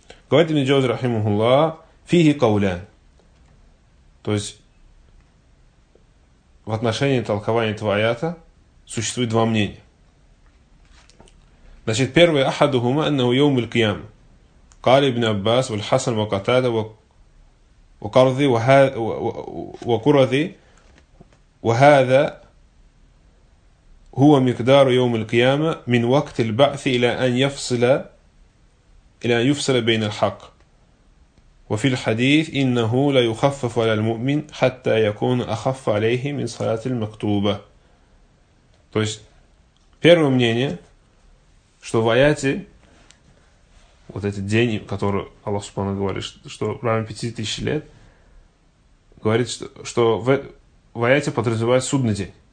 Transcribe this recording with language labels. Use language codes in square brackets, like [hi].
[ru] Говорит Ибн Джаузи рахимахуллах: [ar] «Фихи каулян». [ru] То есть в отношении толкования этого аята существует два мнения. Значит, первое: [ar] «Ахадухума аннаху йаум аль-кияма», قال ابن عباس والحسن وقتادة وقرضي وهذا وكرذي وهذا هو مقدار يوم القيامة من وقت البعث إلى أن يفصل بين الحق. وفي الحديث إنه لا يخفف على المؤمن حتى يكون أخف عليه من صلاة المكتوبة. [ru] То есть первое мнение, что в аяте вот этот день, который Аллах Субхана говорит, что равен 5000 лет, говорит, что в аяте подразумевает судный день.